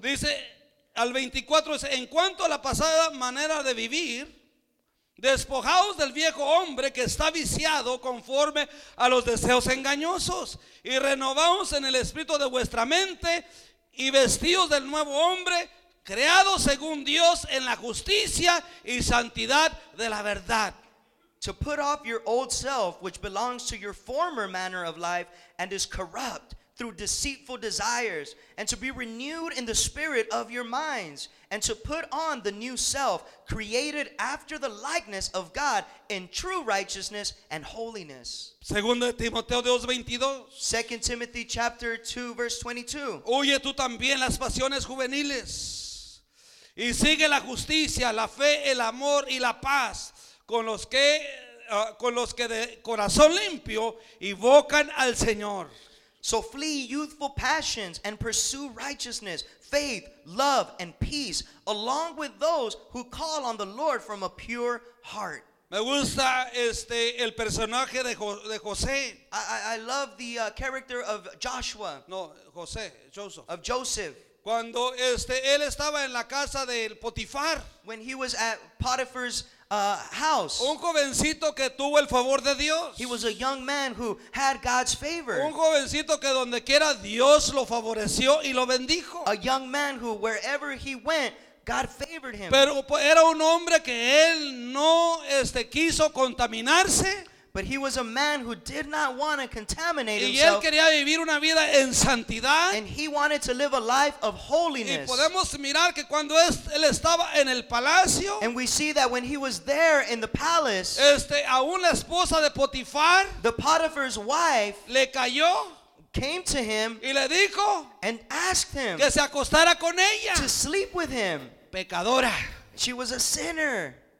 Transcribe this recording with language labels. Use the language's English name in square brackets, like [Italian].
[Spanish] Dice al 24, dice, en cuanto a la pasada manera de vivir, despojaos del viejo hombre que está viciado conforme a los deseos engañosos y renovaos en el espíritu de vuestra mente y vestidos del nuevo hombre, creado según Dios en la justicia y santidad de la verdad. [English] To put off your old self, which belongs to your former manner of life, and is corrupt through deceitful desires, and to be renewed in the spirit of your minds, and to put on the new self, created after the likeness of God in true righteousness and holiness. [Spanish] 2 Timoteo 2:22. [English] 2 Timothy chapter 2 verse 22. [Spanish] Huye tú también las pasiones juveniles y sigue la justicia, la fe, el amor y la paz con los que de corazón limpio invocan al Señor. [English] So flee youthful passions and pursue righteousness, faith, love and peace along with those who call on the Lord from a pure heart. [Spanish] Me gusta el personaje de José. [English] I love the character of Joshua. [Spanish] No, José, Joseph. [English] Of Joseph. [Spanish] Cuando él estaba en la casa del Potifar. [English] When he was at Potiphar's house. [Spanish] Un jovencito que tuvo el favor de Dios. [English] He was a young man who had God's favor. [Spanish] Un jovencito que donde quiera Dios lo favoreció y lo bendijo. [English] A young man who wherever he went, God favored him. [Spanish] Pero era un hombre que él no quiso contaminarse. [English] But he was a man who did not want to contaminate himself. [Spanish] Y él quería vivir una vida en santidad. [English] And he wanted to live a life of holiness. [Spanish] Y podemos mirar que cuando él estaba en el palacio. [English] And we see that when he was there in the palace. [Spanish] Aún la esposa de Potifar. [English] The Potiphar's wife. [Spanish] Le cayó. [English] Came to him [Spanish] y le dijo, [English] and asked him [Spanish] que se acostara con ella, [English] to sleep with him. [Spanish] Pecadora. [English] She was a sinner.